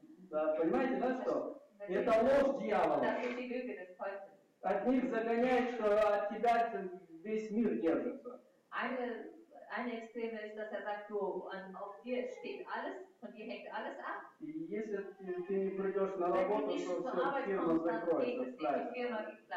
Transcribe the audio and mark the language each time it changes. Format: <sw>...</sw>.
<ru>Да, понимаете, да что? Это ложь дьявола. От них загоняет, что от тебя весь мир держится.</ru> <de>Eine Extreme ist, dass sagt, du, auf dir steht alles, von dir hängt alles ab.</de> <ru>Если ты не придешь на работу, то все фирма закроется.</ru>